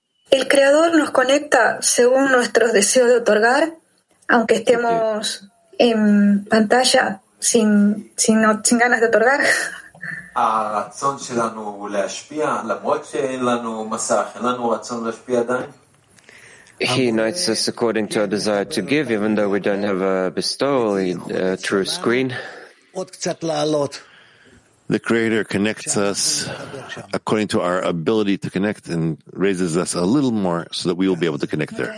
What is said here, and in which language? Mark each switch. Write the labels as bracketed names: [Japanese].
[Spanish] El creador nos conecta según nuestros deseos de otorgar, aunque estemos en pantalla sin ganas de otorgar. [Hebrew] הרצון שלנו להשפיע, למרות שאין לנו מסך, אין לנו רצון להשפיע עדיין. [English] He unites us according to our desire to give, even though we don't have a bestowal, a true screen. The Creator connects us according to our ability to connect and raises us a little more so that we will be able to connect there.